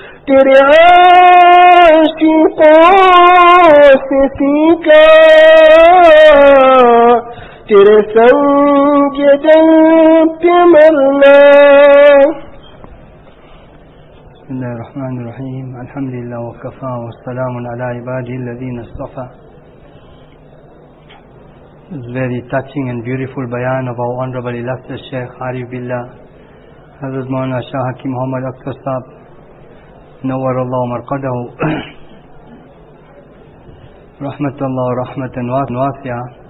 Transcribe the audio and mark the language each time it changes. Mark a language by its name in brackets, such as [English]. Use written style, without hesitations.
[Urdu] تیرے عاشقوں سے سیکھا تیرے سنگ دل پہ مرنا. [Arabic] بسم الله الرحمن الرحيم. الحمد لله وكفى والسلام على عباده الذين اصطفى. [English] It's very touching and beautiful bayan of our honorable illustrious Sheikh Arif Billah Hazrat Maulana Shah Hakim Muhammad Akhtar Sahib [Arabic] نور الله مرقده رحمة الله ورحمة واسعة.